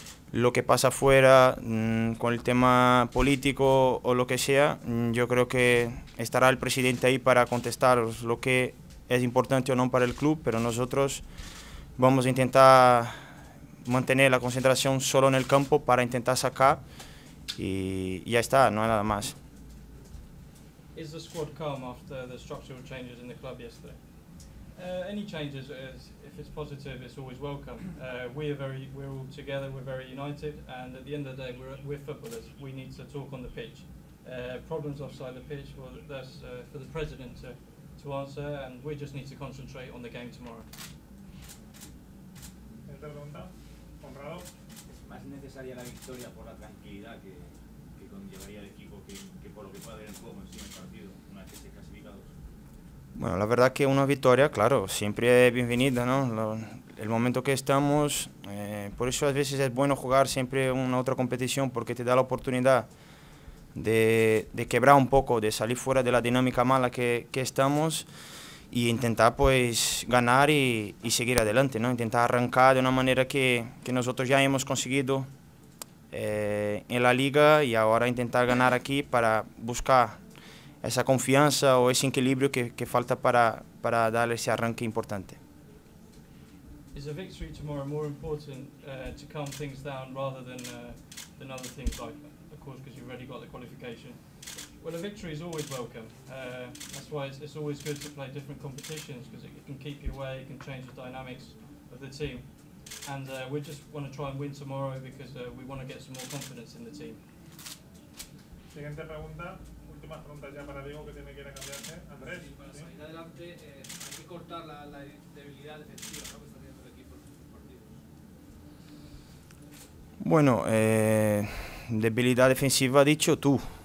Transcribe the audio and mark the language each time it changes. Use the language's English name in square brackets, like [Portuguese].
[Spanish] Lo que pasa afuera, con el tema político o lo que sea, yo creo que estará el presidente ahí para contestar lo que es importante o no para el club, pero nosotros vamos a intentar mantener la concentración solo en el campo para intentar sacar y ya está, no hay nada más. [English] Is the squad calm after the structural changes in the club yesterday? Any changes, if it's positive, it's always welcome. We're all together, we're very united, and at the end of the day, we're footballers. We need to talk on the pitch. Problems offside the pitch, well, that's for the president to answer, and we just need to concentrate on the game tomorrow. [Spanish] ¿Es más necesaria la victoria por la tranquilidad que conllevaría el equipo que por lo que pueda haber en juego en sí en el partido, una vez que se clasificado? Bueno, la verdad que una victoria, claro, siempre es bienvenida, ¿no? El momento que estamos, por eso a veces es bueno jugar siempre una otra competición, porque te da la oportunidad de quebrar un poco, de salir fuera de la dinámica mala que estamos e intentar pues ganar y seguir adelante, ¿no? Intentar arrancar de una manera que nosotros ya hemos conseguido en la liga y ahora intentar ganar aquí para buscar esa confianza o ese equilibrio que falta para darle ese arranque importante. [English] Is a victory tomorrow more important to calm things down rather than other things like, of course, because you've already got the qualification? Well, a victory is always welcome. That's why it's always good to play different competitions because it can keep you away, it can change the dynamics of the team. And we just want to try and win tomorrow because we want to get some more confidence in the team. [Spanish] Siguiente pregunta. Más preguntas ya para Diego que tiene que ir a cambiarse. Andrés. Sí, para salir adelante hay que cortar la debilidad defensiva, ¿no? Que está teniendo el equipo en los partidos. Bueno, debilidad defensiva, dicho tú.